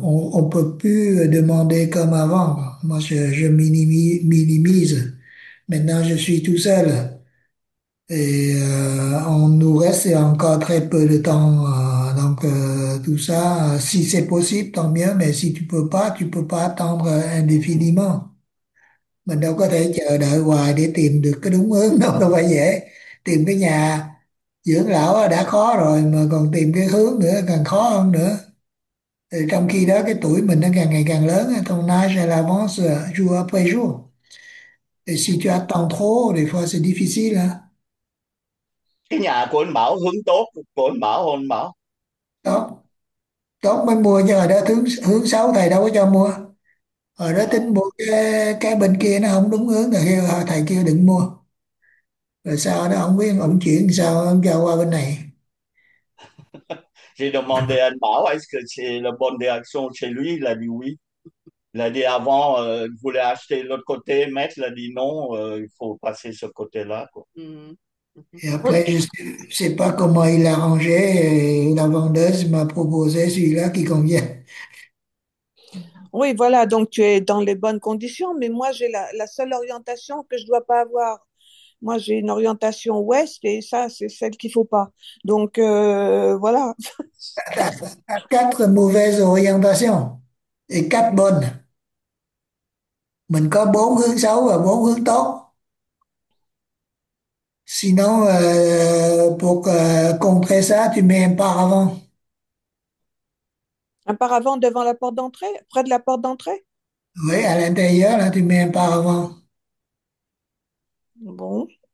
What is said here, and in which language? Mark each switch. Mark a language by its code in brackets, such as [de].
[fr] On ne peut plus demander comme avant, quoi. Moi, je minimise. Maintenant, je suis tout seul. Et on nous reste encore très peu de temps. Donc, tout ça, si c'est possible, tant mieux. Mais si tu peux pas, tu peux pas attendre indéfiniment. [vi] Mình đâu có thể chờ đợi hoài để tìm được cái đúng hướng đâu, đâu phải dễ. Tìm cái nhà dưỡng lão đã khó rồi mà còn tìm cái hướng nữa càng khó hơn nữa. Thì trong khi đó cái tuổi mình nó càng ngày càng lớn, [fr] ton âge l'avance jour après jour. [vi] Et si tu attends trop, des fois c'est difficile. Hein? Cái nhà của anh Bảo hướng tốt, của anh Bảo hôn Bảo. Đó. Tốt mới mua, nhưng mà đó hướng, hướng xấu thầy đâu có cho mua. Rồi đó tính bộ cái bên kia nó không đúng hướng rồi thầy kêu đừng mua. Rồi sau đó ông biết ông chuyển sao ông cho qua bên này. [fr] J'ai demandé à anh Bảo est-ce que c'est le bon direction chez lui. Il a dit oui. Il a dit avant, il voulait acheter l'autre côté. Maître, il a dit non, il faut passer ce côté-là, quoi. Et après, je ne sais pas comment il a rangé, et la vendeuse m'a proposé celui-là qui convient. Oui, voilà, donc tu es dans les bonnes conditions, mais moi j'ai la seule orientation que je ne dois pas avoir. Moi j'ai une orientation ouest et ça c'est celle qu'il ne faut pas. Donc voilà. Quatre mauvaises orientations et quatre bonnes. [vi] Mình có bốn hướng xấu và bốn hướng tốt. [fr] Sinon, pour contrer ça, tu mets un paravent. Un paravent devant la porte d'entrée, près de la porte d'entrée. Oui, à l'intérieur, là, tu mets un paravent. Bon.